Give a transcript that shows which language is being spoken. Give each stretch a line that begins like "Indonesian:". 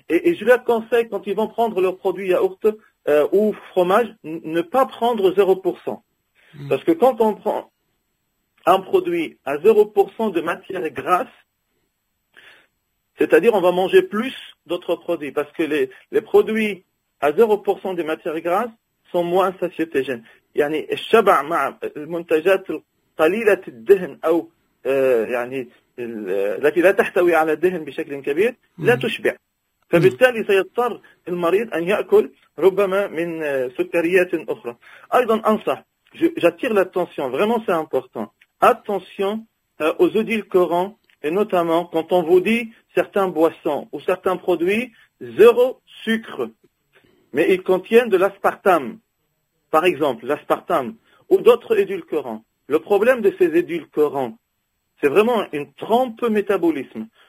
French: Et je leur conseille, quand ils vont prendre leur produit yaourt ou fromage, ne pas prendre 0%. Parce que quand on prend un produit à 0% de matière grasse, c'est-à-dire on va manger plus d'autres produits. Parce que les produits à 0% de matière grasse sont moins satiétogènes.
Arabic: يعني الشبع مع المنتجات القليلة الدهن أو يعني التي لا تحتوي على الدهن بشكل كبير لا تشبع، فبالتالي سيضطر المريض أن يأكل ربما من سكريات أخرى. أيضا أنصح،
French: j'attire l'attention, vraiment c'est important, attention aux odiles corants, et notamment quand on vous dit certains boissons ou certains produits zéro sucre, mais ils contiennent de l'aspartame. Par exemple, l'aspartame ou d'autres édulcorants. Le problème de ces édulcorants, c'est vraiment une trompe métabolisme.